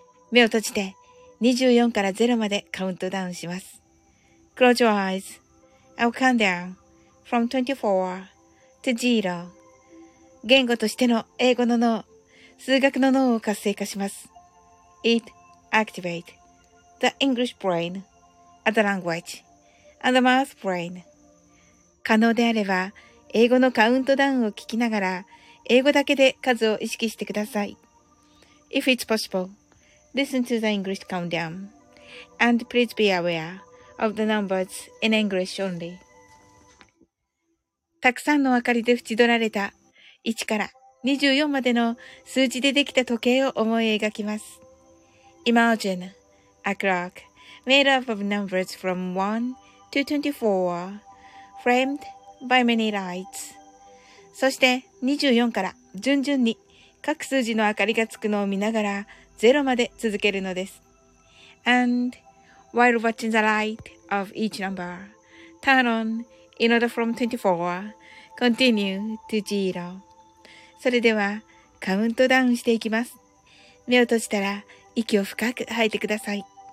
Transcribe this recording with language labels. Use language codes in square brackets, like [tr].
[ja] 目を閉じて24から0までカウントダウンします。 [en] Close your eyes. I'll count down from 24 to 0. [ja] 言語としての英語の脳、数学の脳を活性化します。 [en] It activateThe English brain, and the language, and the math brain. [ja] 可能であれば、英語のカウントダウンを聞きながら、英語だけで数を意識してください。 [en] If it's possible, listen to the English countdown, and please be aware of the numbers in English only. [ja] たくさんの明かりで縁取られた1から24までの数字でできた時計を思い描きます。 [en] Imagine. A clock made up of numbers from 1 to 24, framed by many lights. [ja] そして24から順々に各数字の明かりがつくのを見ながら0まで続けるのです。 [en] And while watching the light of each number, turn on in order from 24, continue to 0. [ja] それではカウントダウンしていきます。目を閉じたら息を深く吐いてください。